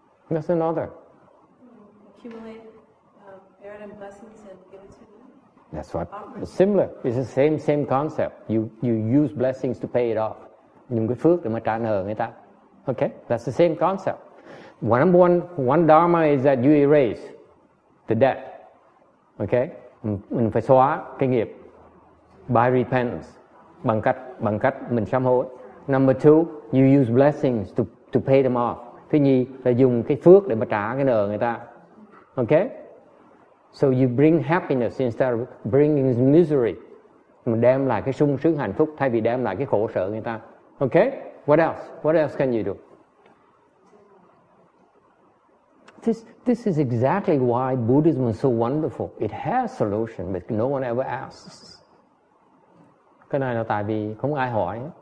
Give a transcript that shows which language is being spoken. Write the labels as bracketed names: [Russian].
[English] That's another. Accumulate merit and blessings and give it to them. That's similar. It's the same concept. You use blessings to pay it off. [Vietnamese] Dùng cái phước để mà trả nợ người ta. [English] Okay, that's the same concept. One dharma is that you erase the debt. [Vietnamese] Okay, mình phải xóa cái nghiệp [English] by repentance [Vietnamese] bằng cách mình sám hối. [English] Number two, you use blessings to pay them off. [Vietnamese] Thứ nhì là dùng cái phước để mà trả cái nợ người ta. [English] Okay? So you bring happiness instead of bringing misery. [Vietnamese] Mình đem lại cái sung sướng hạnh phúc thay vì đem lại cái khổ sở người ta. [English] Okay? What else? What else can you do? This is exactly why Buddhism is so wonderful. It has solution, but no one ever asks. [Vietnamese] Cái này là tại vì không ai hỏi.